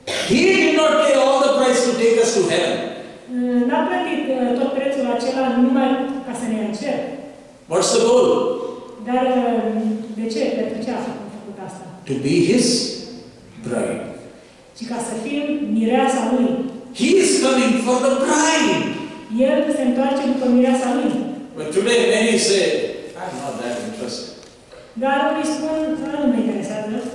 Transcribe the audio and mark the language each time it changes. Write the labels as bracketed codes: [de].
[en] He did not pay all the price to take us to heaven. [ro] N-a plătit tot prețul acela numai ca să ne ia în cer. [en] What's the goal? [ro] Dar de ce? Pentru ce a făcut asta? [en] To be His bride. [ro] Și ca să fim mireasa lui. [en] He is coming for the bride. [ro] El se întoarce după mirea sa lui. [en] But today many say, I'm not that interested. [ro] Dar unii spun, nu mă interesează.